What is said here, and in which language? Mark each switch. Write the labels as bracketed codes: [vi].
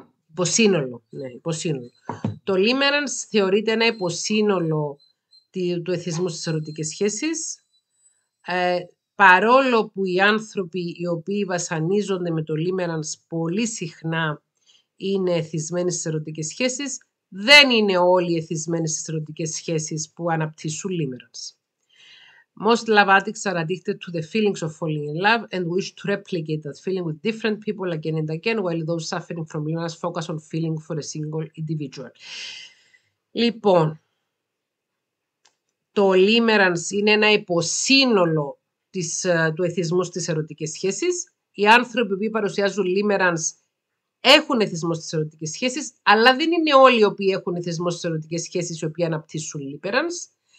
[el] Υποσύνολο, ναι, υποσύνολο. Το limerence θεωρείται ένα υποσύνολο του εθισμού στις ερωτικές σχέσεις. Παρόλο που οι άνθρωποι οι οποίοι βασανίζονται με το limerence πολύ συχνά είναι εθισμένοι στις ερωτικές σχέσεις, δεν είναι όλοι εθισμένοι στις ερωτικές σχέσεις που αναπτύσσουν limerence. [en] Most love addicts are addicted to the feelings of falling in love and wish to replicate that feeling with different people again and again, while those suffering from limerence focus on feeling for a single individual. [el] Λοιπόν, το limerence είναι ένα υποσύνολο του εθισμού στις ερωτικές σχέσεις. Οι άνθρωποι που παρουσιάζουν limerence έχουν εθισμό στις ερωτικές σχέσεις, αλλά δεν είναι όλοι οι οποίοι έχουν εθισμό στις ερωτικές σχέσεις οι οποίοι αναπτύσσουν limerence.